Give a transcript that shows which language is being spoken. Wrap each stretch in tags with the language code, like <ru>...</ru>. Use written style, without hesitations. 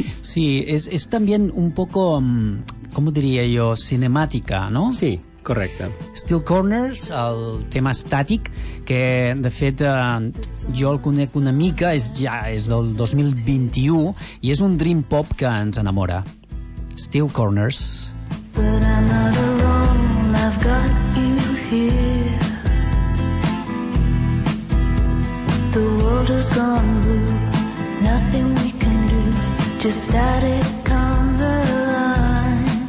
<es>Sí, es también un poco, ¿cómo diría yo?, cinemática, ¿no? Sí, correcto.</es> <ca>Steel Corners, el tema estàtic, que de fet jo el conec una mica, és del 2021, i és un dream pop que ens enamora. Steel Corners.</ca> <en>But I'm not alone, I've got you here. The world has gone blue, nothing we can do, just static on the line,</en>